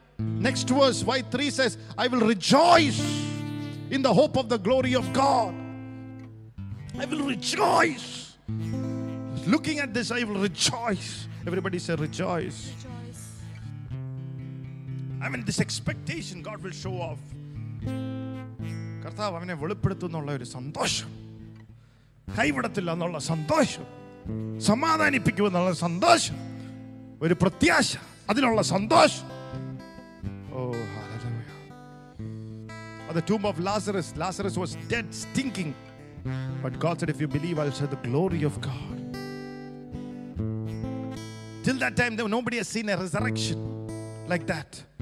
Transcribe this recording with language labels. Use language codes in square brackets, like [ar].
[en] Next verse, Y3 says, I will rejoice in the hope of the glory of God. I will rejoice. Looking at this, I will rejoice. Everybody say rejoice. Rejoice. I mean, this expectation God will show off. [ml] കർത്താവ് അവനെ വെളിപ്പെടുത്തുന്നുള്ള ഒരു സന്തോഷം, കൈവിടത്തില്ല എന്നുള്ള സന്തോഷം, സമാധാനിപ്പിക്കും എന്നുള്ള സന്തോഷം, ഒരു പ്രത്യാശ, അതിനുള്ള സന്തോഷം. ഓ hallelujah. [en] At the tomb of Lazarus, Lazarus was dead, stinking. But God said, if you believe, I'll show the glory of God. Till that time, nobody has seen a resurrection like that.